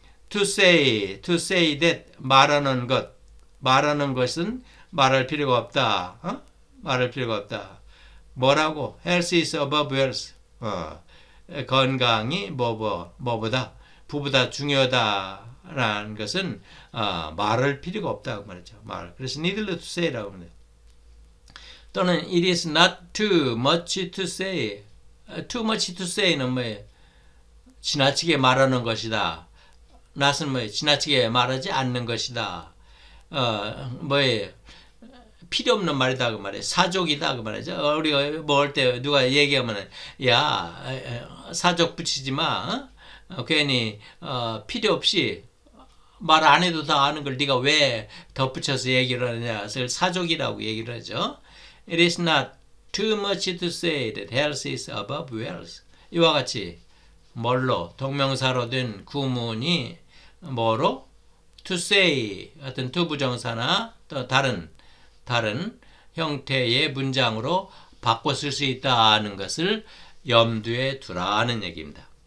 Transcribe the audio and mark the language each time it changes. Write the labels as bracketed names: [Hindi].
[English] to say that [Korean] 말하는 것, 말하는 것은 말할 필요가 없다. 어? 말할 필요가 없다. 뭐라고? [English] Health is above wealth. [Korean] 건강이 뭐보다 부보다 중요하다라는 것은 말할 필요가 없다고 말했죠. 말. 그래서 [English] needless to say [Korean] 라고 합니다. 또는 [English] it is not too much to say. Too much to say [Korean] 는 뭐예요? 지나치게 말하는 것이다. Not은 뭐예요? 지나치게 말하지 않는 것이다. 뭐예요? 필요 없는 말이다 그 말이야. 사족이다 그 말이죠. 우리가 뭐할때 누가 얘기하면은 야 사족 붙이지 마. 어? 괜히 필요 없이 말안 해도 다 아는 걸 네가 왜 덧붙여서 얘기를 하느냐. 그래서 사족이라고 얘기를 하죠. [English] It is not too much to say that health is above wealth. [Korean] 이와 같이 뭘로 동명사로 된 구문이 뭐로 [English] to say [Korean] 같은 to 부정사나 또 다른 형태의 문장으로 바꿔 쓸수 있다는 것을 염두에 두라는 얘기입니다.